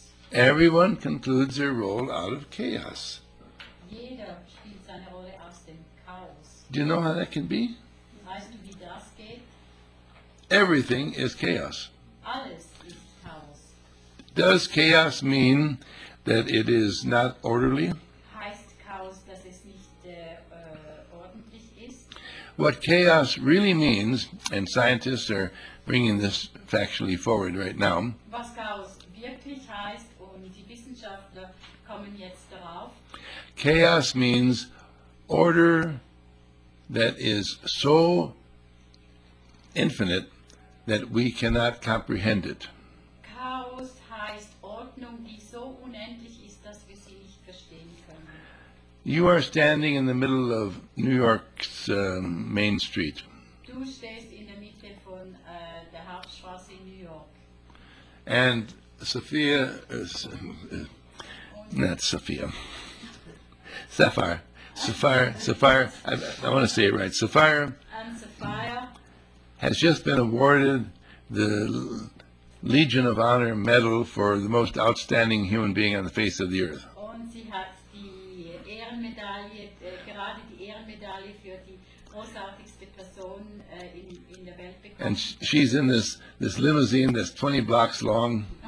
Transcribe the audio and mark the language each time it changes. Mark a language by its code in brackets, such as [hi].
[en] Everyone concludes their role out of chaos. [de] Jeder spielt seine Rolle aus dem Chaos. [en] Do you know how that can be? [de] Weißt du, wie das geht? [en] Everything is chaos. [de] Alles ist Chaos. [en] Does chaos mean that it is not orderly? [de] Heißt Chaos, dass es nicht ordentlich ist? [en] What chaos really means, and scientists are bringing this factually forward right now. [de] Was Chaos wirklich heißt, und die Wissenschaftler kommen jetzt darauf. [en] Chaos means order that is so infinite that we cannot comprehend it. [de] Chaos heißt Ordnung, die so unendlich ist, dass wir sie nicht verstehen können. [en] You are standing in the middle of New York's Main Street. [de] Du stehst in der Mitte von der Hauptstraße in New York. [en] And Sophia is not Sophia. Sapphire, I want to say it right. Sapphire, and Sapphire has just been awarded the Legion of Honor medal for the most outstanding human being on the face of the earth. [de] Und sie hat die Ehrenmedaille, gerade die Ehrenmedaille für die großartigste Person in der Welt bekommen. [en] And she's in this limousine that's 20 blocks long.